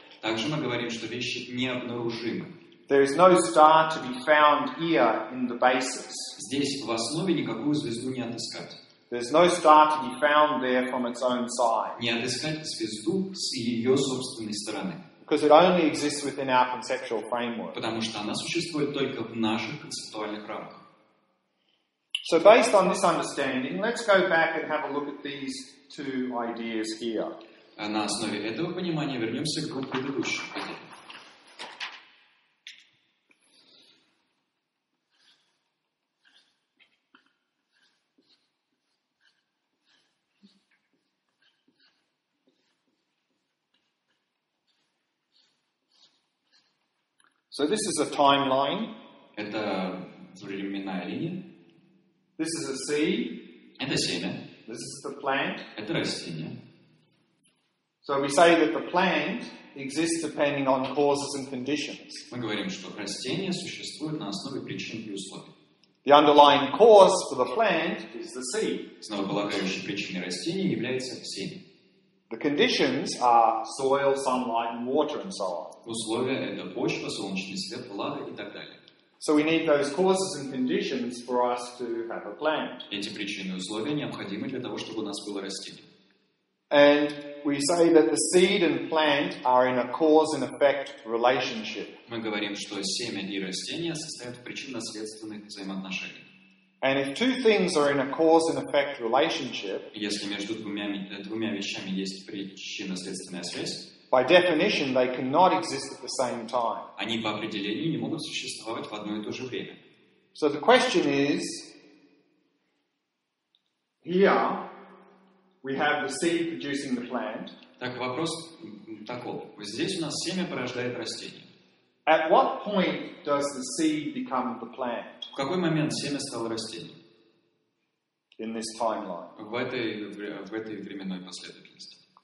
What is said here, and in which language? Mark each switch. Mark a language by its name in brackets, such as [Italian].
[Russian] Также мы говорим, что вещи необнаружимы. [English] There is no star to be found here in the basis. [Russian] Здесь в основе никакую звезду не отыскать. [English] There is no star to be found there from its own side. [Russian] Не отыскать звезду с ее собственной стороны. [English] Because it only exists within our conceptual framework. [Russian] Потому что она существует только в наших концептуальных рамках. [English] So based on this understanding, let's go back and have a look at these two ideas here. [Russian] А на основе этого понимания вернемся к двум предыдущим идеям. [English] So this is a timeline. [Russian] Это временная линия. [English] This is a seed. [Russian] Это семя. [English] This is the plant. [Russian] Это растение. [English] So we say that the plant exists depending on causes and conditions. [Russian] Мы говорим, что растение существует на основе причин и условий. [English] The underlying cause for the plant is the seed. [Russian] Основополагающей причиной растения является семя. [English] The conditions are soil, sunlight, and water, and so on. [Russian] Условия — это почва, солнечный свет, влага и так далее. [English] So we need those causes and conditions for us to have a plant. [Russian] Эти причины и условия необходимы для того, чтобы у нас было растение. [English] And we say that the seed and plant are in a cause and effect relationship. [Russian] Мы говорим, что семя и растения состоят в причинно-следственных взаимоотношениях. [English] And if two things are in a cause and effect relationship, [Russian] если между двумя вещами есть причинно-следственная связь, [English] by definition they cannot exist at the same time. [Russian] Они по определению не могут существовать в одно и то же время. [English] So the question is, here we have the seed producing the plant. [Russian] Так вопрос таков: вот здесь у нас семя порождает растение. [English] At what point does the seed become the plant? [Russian] В какой момент семя стало растением? [English] In this timeline. [Russian] В этой временной последовательности.